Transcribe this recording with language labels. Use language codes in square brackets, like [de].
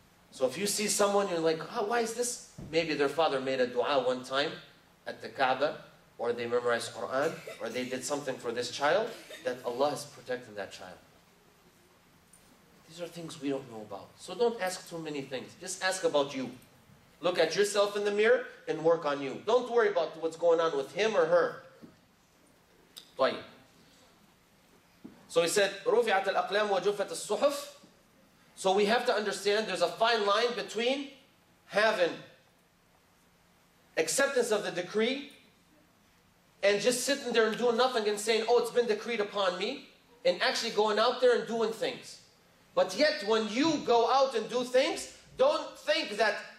[en] So if you see someone, you're like, oh, why is this? Maybe their father made a dua one time at the Kaaba, or they memorized Quran, or they did something for this child, that Allah is protecting that child. These are things we don't know about. So don't ask too many things. Just ask about you. Look at yourself in the mirror and work on you. Don't worry about what's going on with him or her. So he said, [ar] رُفِعَتَ الْأَقْلَامُ وَجُفَّتَ الصُّحُفُ. [en] So we have to understand there's a fine line between having acceptance of the decree and just sitting there and doing nothing and saying, oh, it's been decreed upon me, and actually going out there and doing things. But yet when you go out and do things, don't think that